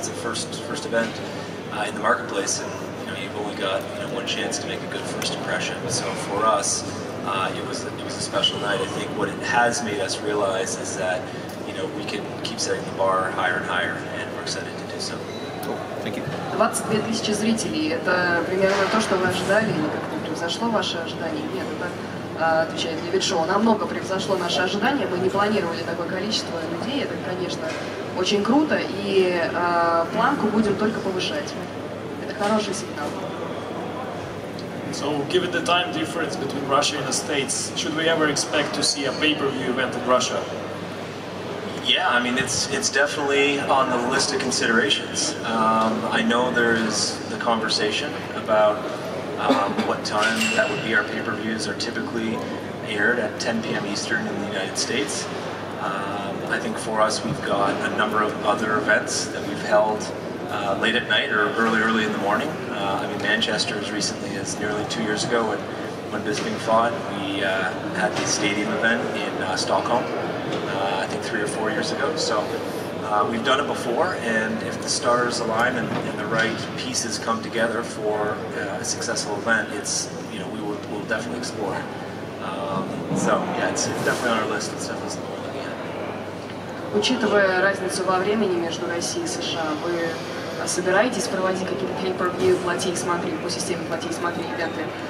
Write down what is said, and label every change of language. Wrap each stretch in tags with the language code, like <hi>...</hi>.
<en>It's the first event in the marketplace, and you know, you've only got, you know, one chance to make a good first impression. So for us, it was a special night. I think what it has made us realize is that, you know, we can keep setting the bar higher and higher, and we're excited to do so. Cool. Thank you.</en> <ru>22 тысячи зрителей – это примерно то, что вы ожидали, или как-то превзошло ваши ожидания? Нет, это отвечает Дэвид Шоу. Намного превзошло наши ожидания. Мы не планировали такое количество людей. Это, конечно, очень круто, и планку будем только повышать. Это хороший сигнал.</ru> <en>So, given the time difference between Russia and the States, should we ever expect to see a pay-per-view event in Russia? Yeah, I mean, it's definitely on the list of considerations. I know there's the conversation about what time that would be. Our pay-per-views are typically aired at 10 p.m. Eastern in the United States. I think for us, we've got a number of other events that we've held late at night or early in the morning. I mean, Manchester as recently as nearly 2 years ago when Bisping fought. We had the stadium event in Stockholm, I think 3 or 4 years ago. So we've done it before, and if the stars align and the right pieces come together for a successful event, it's, you know, we'll definitely explore it. So yeah, it's definitely on our list. It's definitely something we're looking at.</en> <ru>Учитывая разницу во времени между Россией и США, вы собираетесь проводить какие-то pay-per-view, плати и смотри, по системе плати и смотри, ребята.</ru>